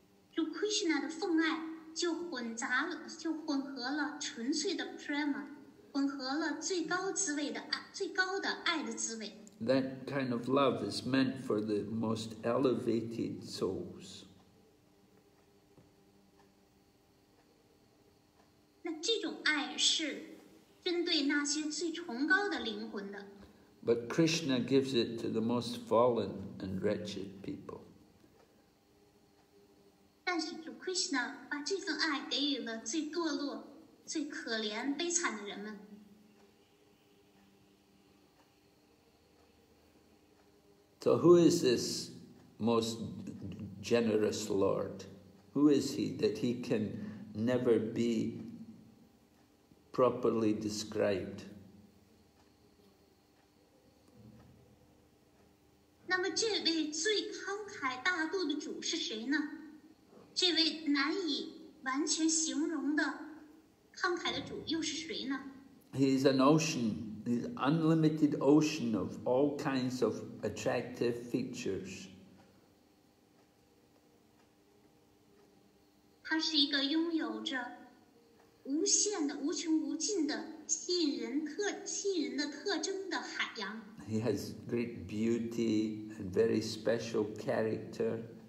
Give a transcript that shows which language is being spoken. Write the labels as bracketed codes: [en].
[zh] 就 Krishna 的奉爱。就混合了纯粹的 prema, 混合了最高滋味的爱的滋味。 [en] That kind of love is meant for the most elevated souls. [zh] 那这种爱是针对那些最崇高的灵魂的。 [en] But Krishna gives it to the most fallen and wretched people. [zh] 但是主 Krishna 把这份爱给予了最堕落、最可怜、悲惨的人们。 [en] So who is this most generous Lord? Who is he that he can never be properly described? [zh] 那么这位最慷慨大度的主是谁呢？这位难以完全形容的慷慨的主又是谁呢？ [en] He is an ocean, an unlimited ocean of all kinds of attractive features. [zh] 他是一个拥有着无限的、无穷无尽的吸引人的特征的海洋。 [en] He has great beauty and very special character.